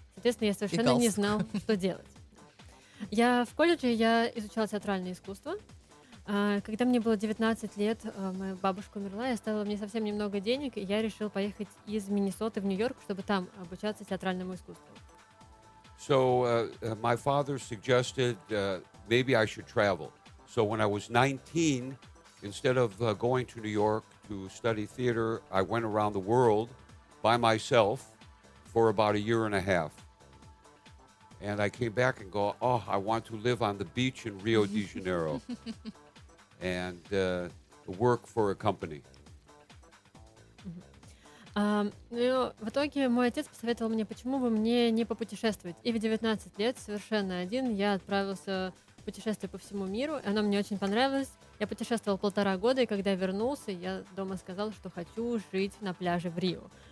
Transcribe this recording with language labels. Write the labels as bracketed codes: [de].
[ru] Соответственно, я совершенно не знал, что делать. Я в колледже я изучала театральное искусство. Когда мне было 19 лет, моя бабушка умерла, и оставила мне совсем немного денег, и я решил поехать из Миннесоты в Нью-Йорк, чтобы там обучаться театральному искусству. [en] So, my father suggested maybe I should travel. So when I was 19, instead of going to New York to study theater, I went around the world by myself for about a year and a half. And I came back and go, oh, I want to live on the beach in Rio de Janeiro and work for a company. [ru] Ну, в итоге мой отец посоветовал мне, почему бы мне не попутешествовать. И в 19 лет, совершенно один, я отправился в путешествие по всему миру, и оно мне очень понравилось. Я путешествовал 1.5 года, и когда я вернулся, я дома сказал, что хочу жить на пляже в Рио.